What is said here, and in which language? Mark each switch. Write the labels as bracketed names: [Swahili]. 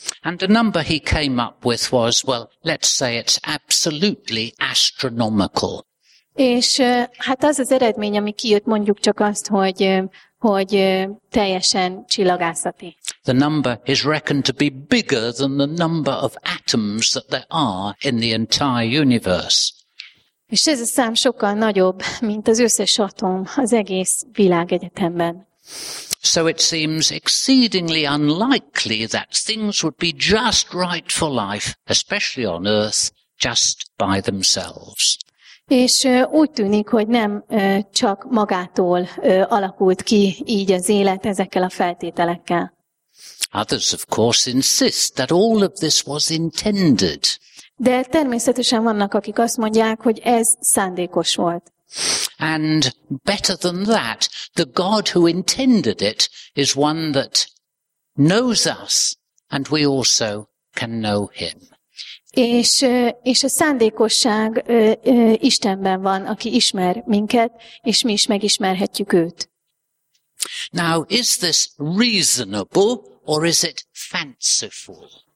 [English] And the number he came up with was, well, let's say it's absolutely astronomical. [Hungarian] És hát az eredmény, ami kijött, mondjuk csak azt, hogy teljesen csillagászati. [English] The number is reckoned to be bigger than the number of atoms that there are in the entire universe. [Hungarian] És ez a szám sokkal nagyobb, mint az összes atom az egész világegyetemben. [English] So it seems exceedingly unlikely that things would be just right for life, especially on Earth, just by themselves. [Hungarian] És úgy tűnik, hogy nem csak magától alakult ki így az élet ezekkel a feltételekkel. [English] Others of course insist that all of this was intended. [Hungarian] De természetesen vannak, akik azt mondják, hogy ez szándékos volt. [English] And better than that, the God who intended it is one that knows us, and we also can know him. [Hungarian] És a szándékosság Istenben van, aki ismer minket, és mi is megismerhetjük őt. [English] Now, is this reasonable, or is it fanciful?